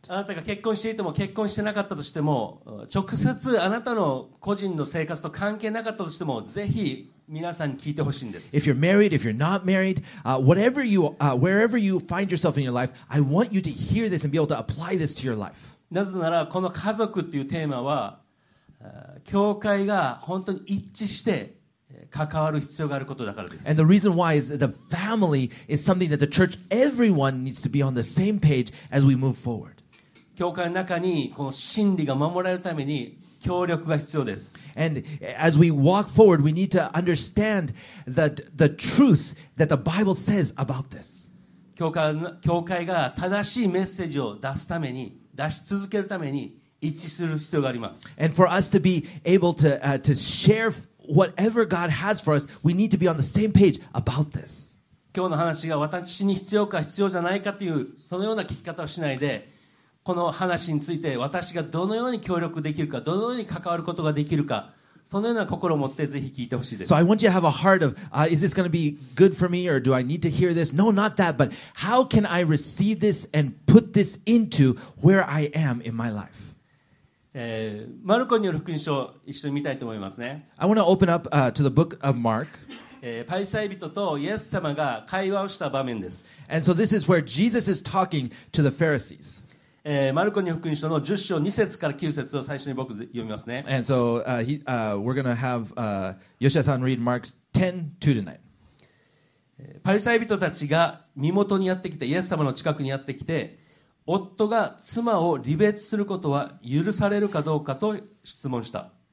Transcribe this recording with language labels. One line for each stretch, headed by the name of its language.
Japanese: あなたが結婚していても結婚してなかったとしても、直接あなたの個人の生活と関係なかったとしても、ぜひ皆さんに聞いてほしいんです。
English: If you're married, if you're not married, whatever you, wherever you find yourself in your life, I want you to hear this and be able to apply this to your life.
Japanese: なぜならこの家族っていうテーマは、教会が本当に一致して関わる必要があることだからです。
English: And the reason why is that the family is something that the church, everyone needs to be on the same page as we move forward.
Japanese: 教会の中にこの真理が守られるために協力が必要です。
English: And as we walk forward, we need to understand the truth that the Bible says about this.
Japanese: 教会が正しいメッセージを出すために、出し続けるために一致する必要があります。
English: And for us to be able to, to share whatever God has for us, we need to be on the same page about this.
Japanese: 今日の話が私に必要か必要じゃないかというそのような聞き方をしないで、この話について私がどのように協力できるか、どのように関わることができるか、そのような心を持ってぜひ聞いてほしいです。
English: So I want you to have a heart of, is this going to be good for me or do I need to hear this? No, not that, but how can I receive this and put this into where I am in my life?
Japanese: マルコによる福音書一緒に見たいと思いますね。
English: I want to open up, to the book of Mark.
Japanese: パリサイ人とイエス様が会話をした場面です。
English: And so this is where Jesus is talking to the Pharisees.
Japanese: マルコに福音書の10章2節から9節を最初に僕読みますね。
English: And so, we're gonna have, Yoshia-san read Mark 10, 2 tonight.
Japanese: パリサイ人たちが身元にやってきて、イエス様の近くにやってきて、夫が妻を離別することは許されるかどうかと質問した。